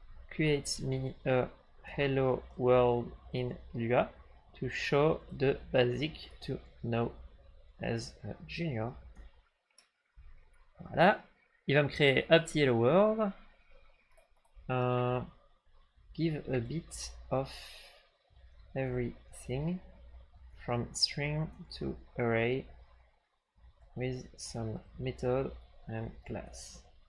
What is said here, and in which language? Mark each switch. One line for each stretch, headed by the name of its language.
English: Create me a Hello world in Lua to show the basic to know as a junior.
French: Voilà. Il va me créer un petit hello world.
English: Give a bit of everything from string to array with some method and class.